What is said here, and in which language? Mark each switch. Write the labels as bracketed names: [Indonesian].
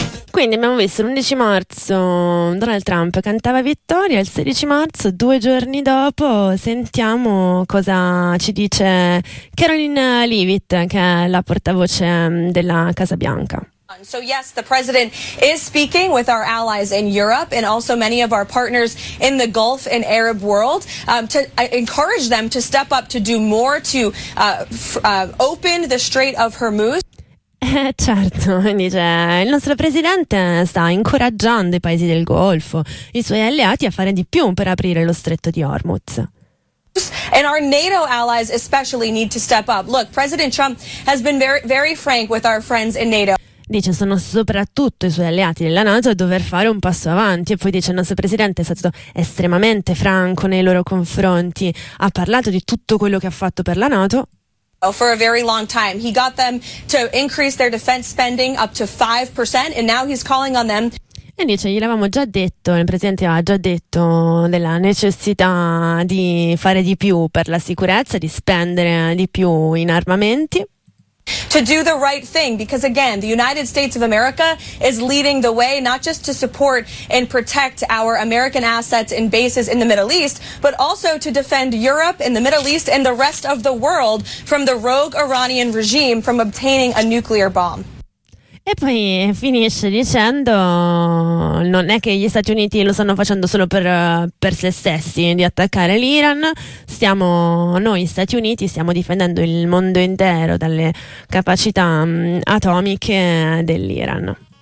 [Italian] Quindi abbiamo visto l'11 marzo Donald Trump cantava vittoria, il 16 marzo, due giorni dopo, sentiamo cosa ci dice Caroline Leavitt, che è la portavoce della Casa Bianca. [English] So yes, the president is speaking with our allies in Europe and also many of our partners in the Gulf and Arab world to encourage them to step up to do more to open the Strait of Hormuz. [Italian] Certo, dice, il nostro presidente sta incoraggiando i paesi del Golfo, i suoi alleati a fare di più per aprire lo stretto di Hormuz. [English] And our NATO allies especially need to step up. Look, President Trump has been very, very frank with our friends in NATO. [Italian] Dice, sono soprattutto i suoi alleati della NATO a dover fare un passo avanti. E poi dice, il nostro presidente è stato estremamente franco nei loro confronti, ha parlato di tutto quello che ha fatto per la NATO. [English] For a very long time he got them to increase their defense spending up to 5% and now he's calling on them. [Italian] E dice, gliel'avevamo già detto, il presidente ha già detto della necessità di fare di più per la sicurezza, di spendere di più in armamenti. [English] To do the right thing, because again, the United States of America is leading the way, not just to support and protect our American assets and bases in the Middle East, but also to defend Europe and the Middle East and the rest of the world from the rogue Iranian regime from obtaining a nuclear bomb. [Italian] E poi finisce dicendo, non è che gli Stati Uniti lo stanno facendo solo per se stessi di attaccare l'Iran, stiamo noi Stati Uniti, stiamo difendendo il mondo intero dalle capacità atomiche dell'Iran.